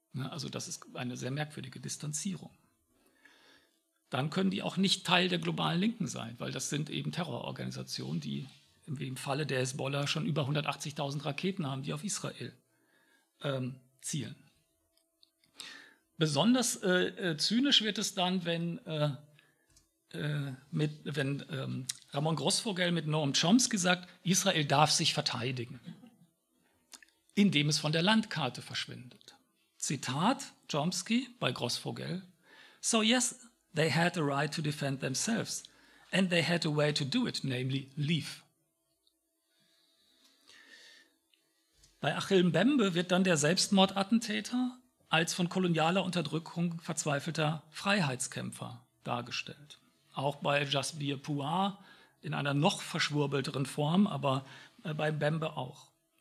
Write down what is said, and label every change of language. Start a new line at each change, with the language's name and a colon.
German: Also das ist eine sehr merkwürdige Distanzierung. Dann können die auch nicht Teil der globalen Linken sein, weil das sind eben Terrororganisationen, die im Falle der Hezbollah schon über 180.000 Raketen haben, die auf Israel zielen. Besonders zynisch wird es dann, wenn Ramon Grossvogel mit Noam Chomsky sagt, Israel darf sich verteidigen, indem es von der Landkarte verschwindet. Zitat Chomsky bei Grossvogel:
English: So yes, they had a right to defend themselves, and they had a way to do it, namely leave.
German: Bei Achille Mbembe wird dann der Selbstmordattentäter als von kolonialer Unterdrückung verzweifelter Freiheitskämpfer dargestellt. Auch bei Jasbir Puar in einer noch verschwurbelteren Form, aber bei Mbembe auch.